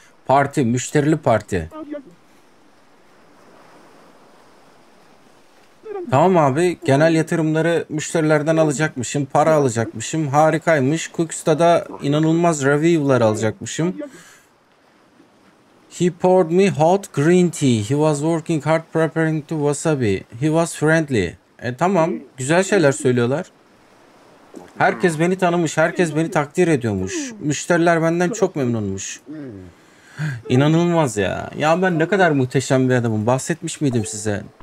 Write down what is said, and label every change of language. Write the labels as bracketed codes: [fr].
[tr] Parti, müşterili parti. Tamam abi, genel yatırımları müşterilerden alacakmışım, para alacakmışım, harikaymış. Cookstada inanılmaz review'lar alacakmışım. [en] He poured me hot green tea. He was working hard preparing to wasabi. He was friendly. [tr] Tamam, güzel şeyler söylüyorlar. Herkes beni tanımış, herkes beni takdir ediyormuş. Müşteriler benden çok memnunmuş. İnanılmaz ya. Ya ben ne kadar muhteşem bir adamım, bahsetmiş miydim size?